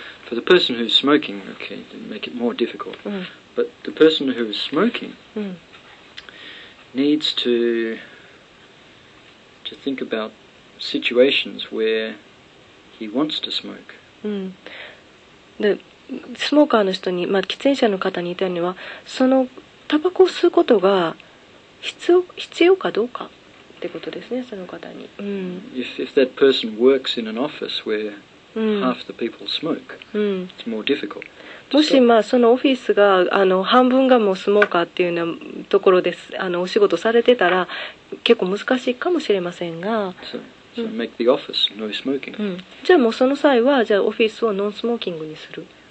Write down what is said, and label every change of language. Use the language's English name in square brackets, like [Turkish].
[English] For the person who's smoking, okay, they make it more difficult. But the person who is smoking needs to think about situations where he wants to smoke. [Japanese] で、スモーカーの人に、まあ、喫煙者の方に言いたいのは、そのタバコを吸うことが必要かどうかってことですね、その方に。 [English] If that person works in an office where half the people smoke. It's more difficult. [Japanese] もし、まあ、そのオフィスがあの半分がもうスモーカーっていうようなところですあのお仕事されてたら結構難しいかもしれませんが、 [English] So make the office no smoking. [Japanese] じゃあもうその際はじゃあオフィスをノンスモーキングにする。